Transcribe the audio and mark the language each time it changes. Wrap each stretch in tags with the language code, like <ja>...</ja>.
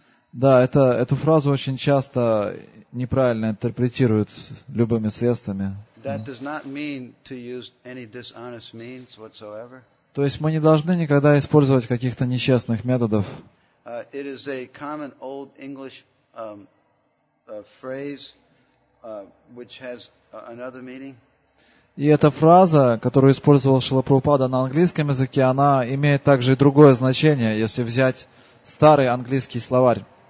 <ru>Да, эту фразу очень часто неправильно интерпретируют любыми средствами.</ru> <en>That does not mean to use any dishonest means whatsoever.</en> <ru>То есть мы не должны никогда использовать каких-то нечестных методов.</ru> <en>It is a common old English phrase which has another meaning.</en> <ru>И эта фраза, которую использовал Шрила Прабхупада на английском языке, она имеет также и другое значение, если взять старый английский словарь.</ru>